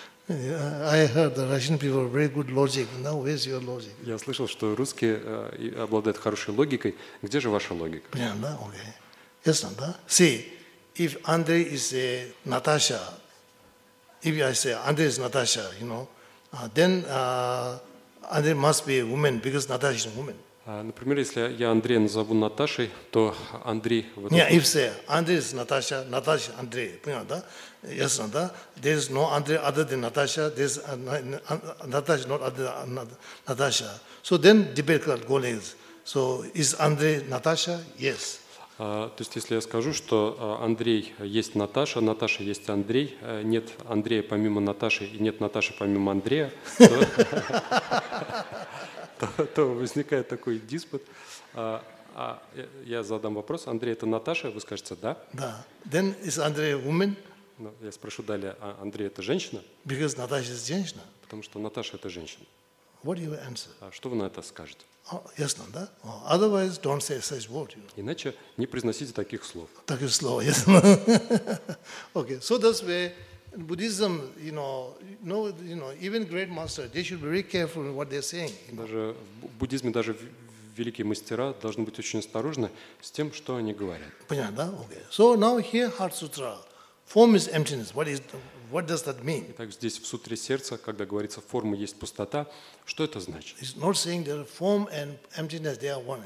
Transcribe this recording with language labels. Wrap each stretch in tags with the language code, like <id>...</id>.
<en>I heard the Russian people very good logic. Now where's your logic?</en> <ru>Я слышал, что русские обладают хорошей логикой. Где же ваша логика? Понятно, окей. Ясно, да?</ru> <en>See, if Andrei is a Natasha, if I say Andrei is Natasha, you know, then Andrei must be a woman because Natasha is a woman.</en> <ru>Например, если я Андрея назову Наташей, то Андрей... Нет, и все. Андрей с Наташа, Наташа, Андрей. Понял, да? Ясно, да?</ru> <en>There's no Андрей other than Наташа. There's Наташа not other than Наташа. So then debate goes. So is Андрей Наташа? Yes.</en> <ru>То есть, если я скажу, что Андрей есть Наташа, Наташа есть Андрей, нет Андрея помимо Наташи и нет Наташи помимо Андрея, то возникает такой диспут. Я задам вопрос. Андрей, это Наташа? Вы скажете, да? Да.</ru> <en>Then is Андрей woman?</en> <ru>Ну, я спрошу далее. А Андрей, это женщина?</ru> <en>Because Наташа is женщина.</en> <ru>Потому что Наташа – это женщина.</ru> <en>What do you answer?</en> <ru>Что вы на это скажете? Ясно, да?</ru> <en>Otherwise, don't say such word. You know.</en> <ru>Иначе не произносите таких слов. Таких слов, ясно.</ru> <en>Okay, so that's where Buddhism, you know, even great masters, they should be very careful in what they're saying.</en> <ru>Даже в буддизме даже великие мастера должны быть очень осторожны с тем, что они говорят. Понятно, да?</ru> <en>Okay. So now here Heart Sutra, form is emptiness. What does that mean?</en> <ru>Так здесь в сутре сердца, когда говорится, форма есть пустота, что это значит?</ru> <en>It's not saying that form and emptiness they are one.</en>